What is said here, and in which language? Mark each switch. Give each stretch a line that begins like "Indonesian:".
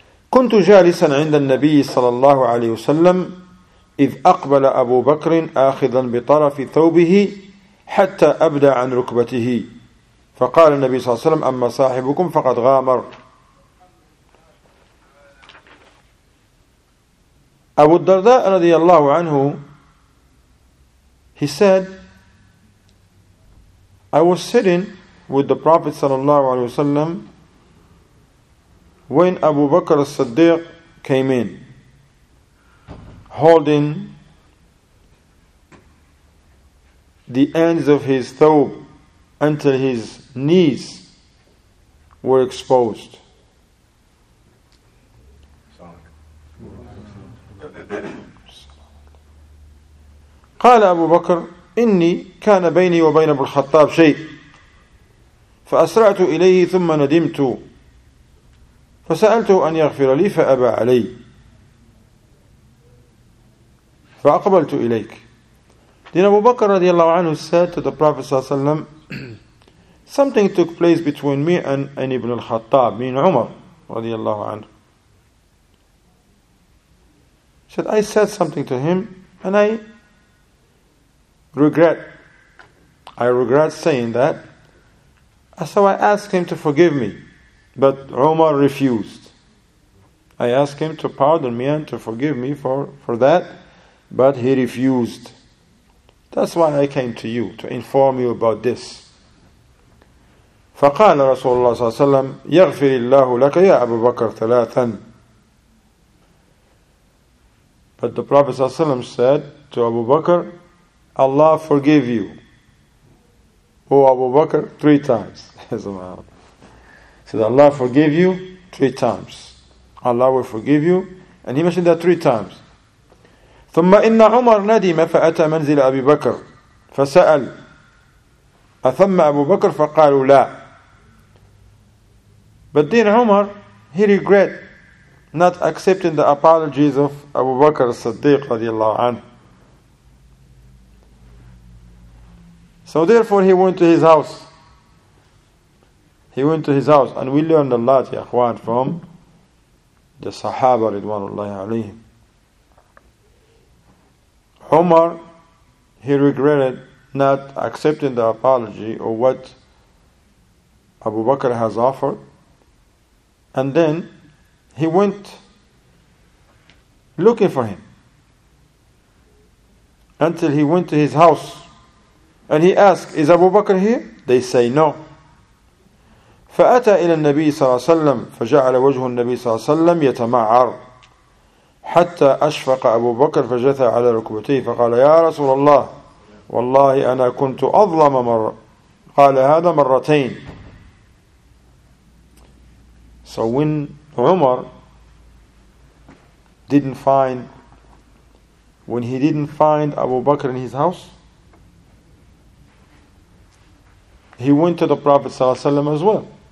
Arabic: كنت جالسا عند النبي صلى الله عليه وسلم إذ أقبل أبو بكر آخذا بطرف ثوبه حتى أبدى عن ركبته فقال النبي صلى الله عليه وسلم أما صاحبكم فقد غامر.
English: أبو الدرداء
Arabic: رضي الله عنه
English: he said I was sitting with the Prophet
Arabic: صلى الله عليه وسلم
English: when Abu Bakr al-Siddiq came in holding the ends of his thawb until his knees were exposed.
Arabic: قال أبو بكر إني كان بيني وبين أبو الخطاب شيء فأسرعت إليه ثم ندمت فسألته أن يغفر لي فأبى علي فأقبلت إليك.
English: Then Abu Bakr
Arabic: رضي الله عنه
English: said to the Prophet
Arabic: صلى الله عليه وسلم
English: something took place between me and Ibn al-Khattab, meaning Umar رضي الله عنه. Said, I said something to him and I regret saying that. So I asked him to forgive me. But Umar refused. I asked him to pardon me and to forgive me for that. But he refused. That's why I came to you, to inform you about this.
Arabic: فقال رسول الله صلى الله عليه وسلم يغفر الله لك يا أبو بكر ثلاثا.
English: But the Prophet
Arabic: صلى الله عليه وسلم
English: said to Abu Bakr, Allah forgive you, O Abu Bakr, three times. said, Allah forgive you three times. Allah will forgive you. And he mentioned that three times.
Arabic: ثم إن عمر ندم فأتى منزل أبي بكر فسأل أثم أبو بكر فقالوا لا.
English: But then Umar, he regret not accepting the apologies of Abu Bakr as-Siddiq radiallahu anhu. So therefore he went to his house. He went to his house and we learned a lot, ya akhwan, from the Sahaba ridwanullahi alayhim. Umar, he regretted not accepting the apology or what Abu Bakr has offered. And then he went looking for him until he went to his house. And he asked, is Abu Bakr here? They say no.
Arabic: فأتى إلى النبي صلى الله عليه وسلم فجعل وجه النبي صلى الله عليه وسلم يتمعر حتى أشفق أبو بكر فجثى على ركبتيه فقال يا رسول الله والله أنا كنت أظلم مرة قال هذا مرتين.
English: So when Umar didn't find Abu Bakr in his house, he went to the Prophet ﷺ as well.